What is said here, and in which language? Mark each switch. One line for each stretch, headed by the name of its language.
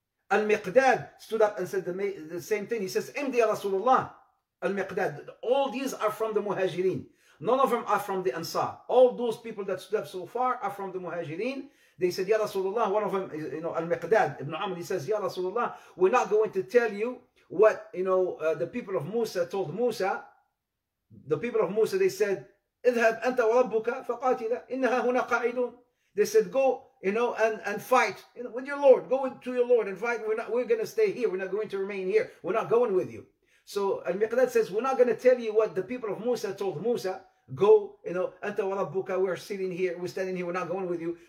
English: Al-Miqdad stood up and said the same thing. He says, Imdi, Ya Rasulullah, Al-Miqdad. All these are from the Muhajirin. None of them are from the Ansar. All those people that stood up so far are from the Muhajireen. They said, Ya Rasulullah, one of them is, you know, Al-Miqdad ibn Amr, he says, Ya Rasulullah, we're not going to tell you what, you know, the people of Musa told Musa. The people of Musa, they said,
Arabic: اذهب أنت وربك فقاتلا إنها هنا قاعدون.
English: They said, go, you know, and fight, you know, with your Lord. Go to your Lord and fight. We're going to stay here. We're not going to remain here. We're not going with you. So Al-Miqdad says, we're not going to tell you what the people of Musa told Musa. Go, you know,
Arabic: أنت وربك,
English: we're sitting here, we're standing here, we're not going with you.